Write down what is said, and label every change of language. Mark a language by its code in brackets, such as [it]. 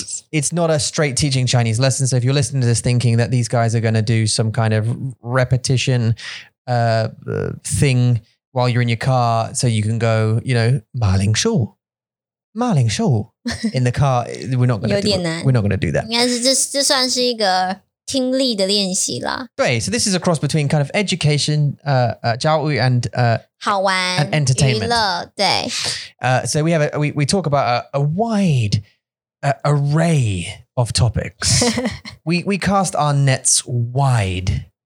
[en] It's not a straight teaching Chinese lesson. So if you're listening to this thinking that these guys are going to do some kind of repetition thing while you're in your car so you can go, you know, 马铃薯。马铃薯 in the car, we're not going to do that. [zh] 应该是这算是一个听力的练习啦。 [en] 对 so this is a cross between kind of education, 教育 and, [zh] 好玩 [en] and entertainment. [zh] 娱乐对。 [en] So we have, we talk about a wide array of topics. we cast our nets wide.